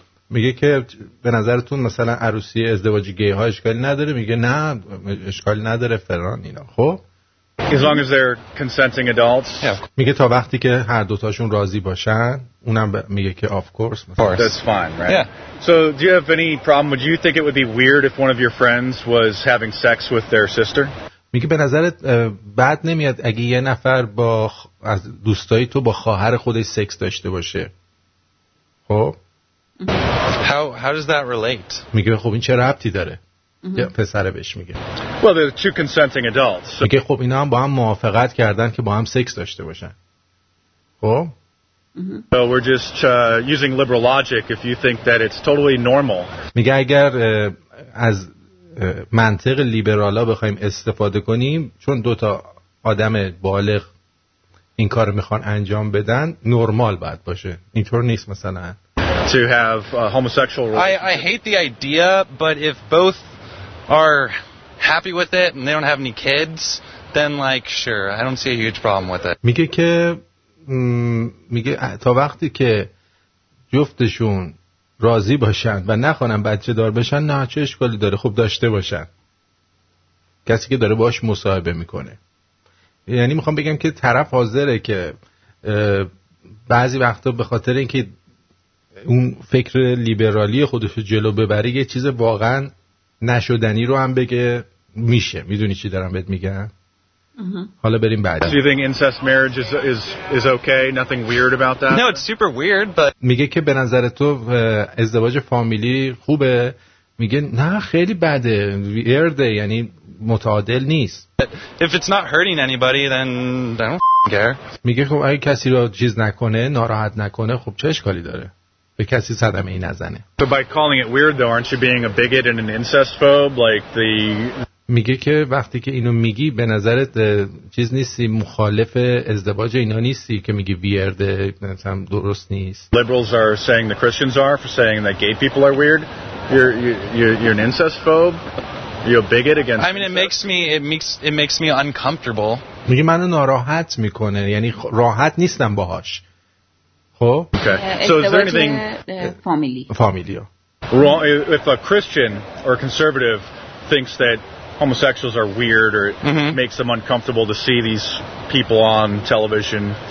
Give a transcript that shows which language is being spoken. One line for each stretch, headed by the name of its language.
Persian: میگه که به نظرتون مثلا عروسی ازدواج گی ها اشکالی نداره؟ میگه نه اشکالی نداره فلان اینا. خب
English: as long as they're consenting adults. Yeah.
Persian: میگه تا وقتی که هر دوتاشون راضی باشن، اونم میگه که
English: of course. Of course. That's fine, right? Yeah. So do you have any problem? Would you think it would be weird if one of your friends was having sex with their sister?
Persian: میگه به نظرت بد نمیاد اگه یه نفر با از دوستای تو با خواهر خودش سکس داشته باشه؟ خب
English: How does that relate?
Persian: میگه خب این چه ربطی داره؟ یه پسره بهش میگه.
English: Well, they're two consenting adults. So...
Persian: میگه خب اینا هم با هم موافقت کردن که با هم سکس داشته باشن. خب؟
English: So we're just using liberal logic if you think that it's totally normal.
Persian: میگه اگر از منطق لیبرالا بخوایم استفاده کنیم، چون دو تا آدم بالغ این کارو میخوان انجام بدن، نرمال باید باشه. اینطور نیست مثلا.
English: To have a homosexual relationship. I hate the idea, but if both are happy with it and they don't have any kids, then like sure, I don't see a huge problem with it.
Persian: میگه که میگه تا وقتی که جفتشون راضی باشن و نخوانن بچه دار بشن، نه چه اشکالی داره، خوب داشته باشن. کسی که داره باش مصاحبه میکنه، یعنی میخوام بگم که طرف حاضره که بعضی وقتا به خاطر اینکه اون فکر لیبرالی خودش جلو ببره یه چیز واقعا نشدنی رو هم بگه، میشه. میدونی چی دارم بهت میگم؟ حالا بریم بعد.
English: Do you think incest marriage is okay? Nothing weird about that? No, it's super weird, but
Persian: میگه که به نظر تو ازدواج فامیلی خوبه؟ میگه نه خیلی بده. Weird یعنی متعادل نیست.
English: If it's not hurting anybody then I don't care.
Persian: میگه خب اگه کسی رو چیز نکنه، ناراحت نکنه، خب چه اشکالی داره؟ به کسی صدمه ای نزنه.
English: So by calling it weird though aren't you being a bigot and an incest phobe like the
Persian: میگه که وقتی که اینو میگی به نظرت چیز نیستی، مخالف ازدواج اینا نیستی که میگی weird مثلا درست نیست.
English: Liberals are saying the Christians are for saying that gay people are weird. You're an incest phobe. You're a bigot against I mean incest. it makes me uncomfortable.
Persian: میگه منو ناراحت میکنه، یعنی راحت نیستم باهاش. خب
English: okay. So is there anything family wrong if a Christian or a conservative thinks that homosexuals are weird or makes them uncomfortable to see these people on television.